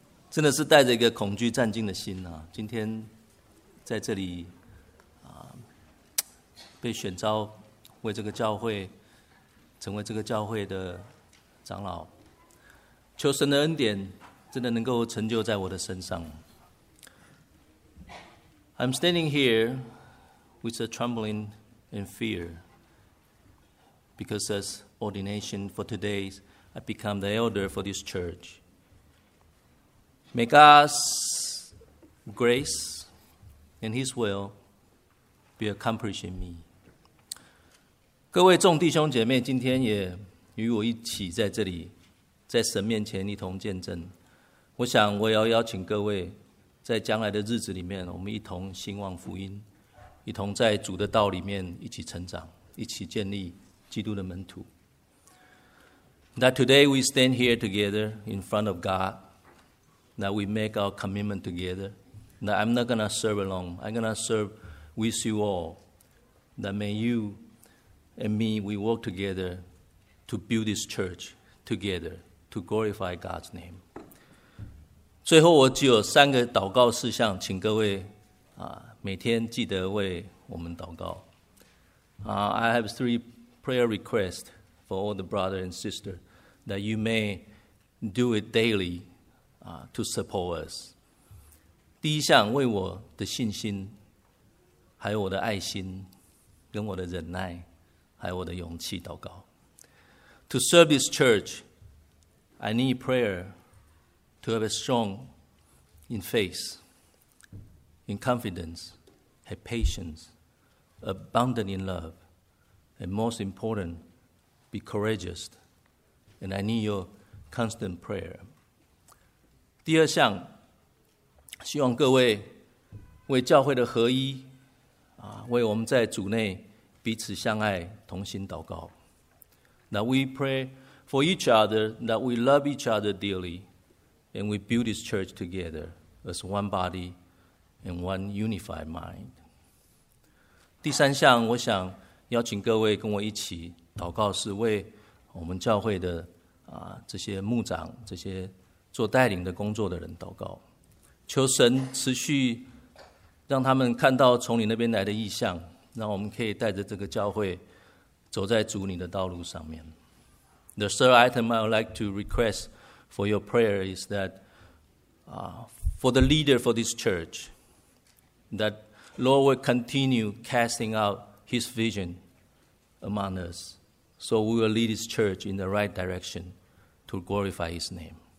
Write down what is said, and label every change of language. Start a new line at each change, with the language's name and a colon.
Chinese: 真的是带着一个恐惧战惊的心啊！今天在这里啊，被选召为这个教会，成为这个教会的长老，求神的恩典真的能够成就在我的身上。
English: I'm standing here with a trembling and fear because as ordination for today, I become the elder for this church. May God's grace and His will be accomplished in me.
Chinese: 各位众弟兄姐妹，今天也与我一起在这里，在神面前一同见证。我想，我也要邀请各位，在将来的日子里面，我们一同兴旺福音，一同在主的道里面一起成长，一起建立基督的门徒。
English: That today we stand here together in front of God, that we make our commitment together, that I'm not going to serve alone, I'm going to serve with you all, that may you and me, we work together to build this church together, to glorify God's name.
Chinese: 最后我只有三个祷告事项，请各位每天记得为我们祷告。
English: I have three prayer requests for all the brothers and sisters. That you may do it daily, to support us.
Chinese: 第一项，为我的信心，还有我的爱心，跟我的忍耐，还有我的勇气祷告。
English: To serve this church, I need prayer to have a strong in faith, in confidence, have patience, abundant in love, and most important, be courageous.And I need your constant prayer.
Chinese: 第二项，希望各位为教会的合一，为我们在主内彼此相爱同心祷告。
English: Now we pray for each other that we love each other dearly and we build this church together as one body and one unified mind.
Chinese: 第三项，我想邀请各位跟我一起祷告，是为我们教会的这些牧长，这些做带领的工作的人祷告，求神持续让他们看到从你那边来的异象，让我们可以带着这个教会走在主你的道路上面。
English: The third item I would like to request for your prayer is that for the leader for this church, that Lord will continue casting out his vision among us, so we will lead his church in the right direction to glorify his name.